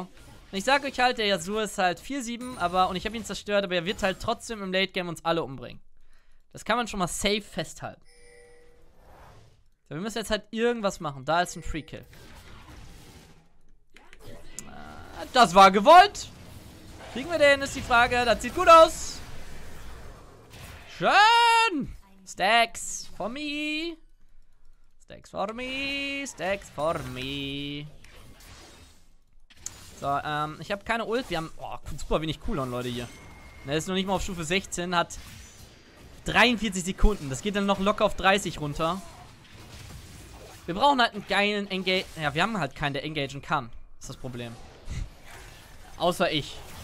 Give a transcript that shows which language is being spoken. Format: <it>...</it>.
<de>Und ich sage euch halt, der Yasuo ist halt 4-7, aber. Und ich habe ihn zerstört, aber er wird halt trotzdem im Late Game uns alle umbringen. Das kann man schon mal safe festhalten. So, wir müssen jetzt halt irgendwas machen. Da ist ein Free Kill. Das war gewollt! Kriegen wir den, ist die Frage. Das sieht gut aus. Schön.</de> <en>Stacks for me. Stacks for me. Stacks for me.</en> <de>So, ich habe keine Ult. Wir haben super wenig Cooldown, Leute, hier. Er ist noch nicht mal auf Stufe 16, hat 43 Sekunden. Das geht dann noch locker auf 30 runter. Wir brauchen halt einen geilen Engage. Ja, wir haben halt keinen, der engagen kann. Ist das Problem. Außer ich.</de>